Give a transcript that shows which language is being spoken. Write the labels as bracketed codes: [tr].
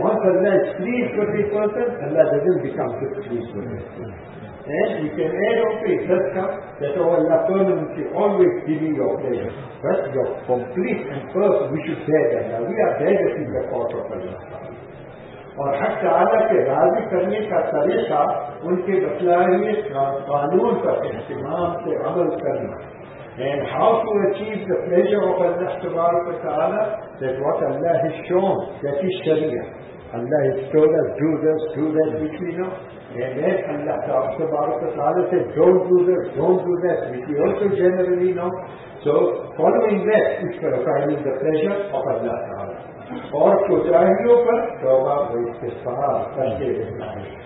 [en] And once Allah is pleased with a person, Allah doesn't become displeased with it. And you can add also, it does come, that oh Allah permanently always giving your pleasure. But your complete and perfect, we should bear that now. We are beggars in the court of Allah. [ur] اور حق تعالیٰ کے راضی کرنے کا طریقہ ان کے بتلائیے قانون پر اہتمام سے عمل کرنا. [en] And how to achieve the pleasure of Allah تبارک و تعالیٰ, that what Allah has shown, that is Sharia. Allah has told us, do this, do that, which we know. And then Allah تبارک و تعالیٰ says, don't do this, don't do that, which we also generally know. So following that is for finding the pleasure of Allah تعالیٰ. [ur] اور کوتاہیوں پر توبہ و استغفار کرتے رہنا ہے.